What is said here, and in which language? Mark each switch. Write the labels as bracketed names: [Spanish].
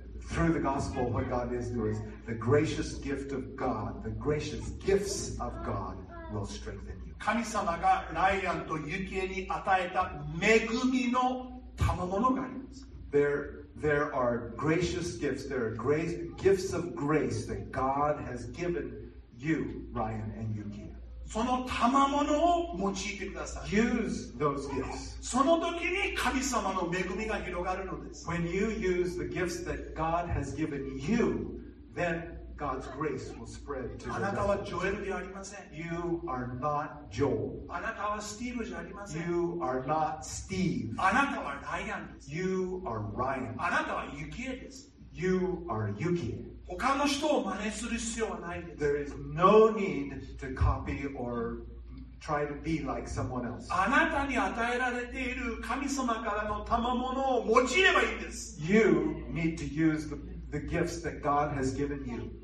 [English] Through the gospel, what God is doing is the gracious gift of God, the gracious gifts of God will strengthen you. [Japanese] 神様がライアンとユキエに与えた恵みの賜物があります。 [English] There are gracious gifts, there are grace, gifts of grace that God has given you, Ryan and Yuki. [Japanese] その賜物を用いてください。 [English] Use those gifts. [Japanese] その時に神様の恵みが広がるのです。 [English] When you use the gifts that God has given you, then God's grace will spread to you. [Japanese] あなたはジョエルではありません。 [English] You are not Joel. [Japanese] あなたはスティーブじゃありません。 [English] You are not Steve. [Japanese] あなたはライアンです。 [English] You are Ryan. [Japanese] あなたはユキエです。 [English] You are Yuki. [Japanese] 他の人を真似する必要はないです。 [English] There is no need to copy or try to be like someone else. [Japanese] あなたに与えられている神様からの賜物を用いればいいんです。 [English] You need to use the gifts that God has given you.